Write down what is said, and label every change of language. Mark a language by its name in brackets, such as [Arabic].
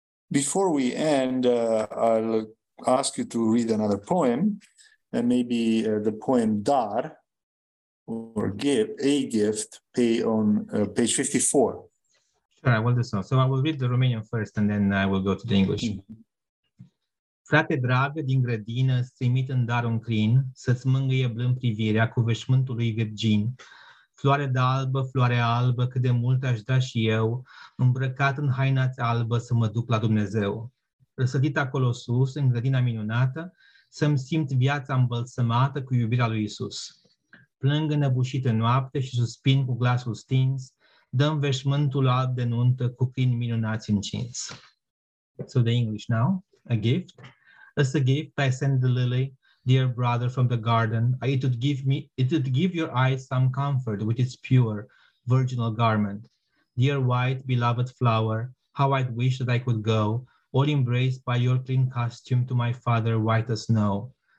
[English] Before we end, I'll ask you to read another poem, and maybe the poem Dar, or Give, A Gift, on page 54. Sure, I will do so. So I will read the Romanian first, and then I will go to the English. [Romanian] Frate drag din grădină, îți trimit în dar un crin, să-ți mângâie blând privirea cu veșmântul lui virgin. Floare de albă, floare albă, cât de mult aș da și eu, îmbrăcat în haina-ți albă să mă duc la Dumnezeu. Răsădit acolo sus, în grădina minunată, să-mi simt viața îmbălsămată cu iubirea lui Iisus. Plâng înăbușit în noapte și suspin cu glasul stins, dă-mi veșmântul alb de nuntă cu crin minunați încins. [English] So the English now, a gift. As a gift, I send the lily. Dear brother from the garden, it would give your eyes some comfort with its pure, virginal garment. Dear white, beloved flower, how I'd wish that I could go, all embraced by your clean costume to my father, white as snow.